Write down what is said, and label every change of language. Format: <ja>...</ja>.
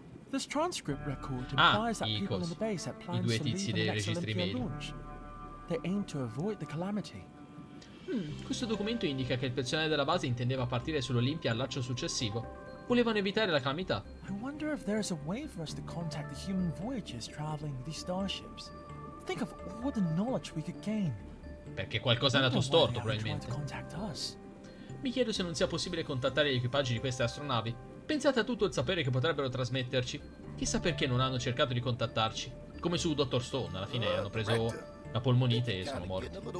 <en>This transcript record implies that people on the base had plans to leave the next Olympia launch. They aim to avoid the calamity.</en> <it>Questo documento indica che il personale della base intendeva partire sull'Olimpia al lancio successivo. Volevano evitare la calamità.</it> <en>I wonder if there is a way for us to contact the human voyagers traveling these starships. Think of all the knowledge we could gain.</en> <it>Perché qualcosa è andato storto, probabilmente. Mi chiedo se non sia possibile contattare gli equipaggi di queste astronavi. Pensate a tutto il sapere che potrebbero trasmetterci. Chissà perché non hanno cercato di contattarci. Come su Dr. Stone, alla fine hanno preso la polmonite e sono morti.</it>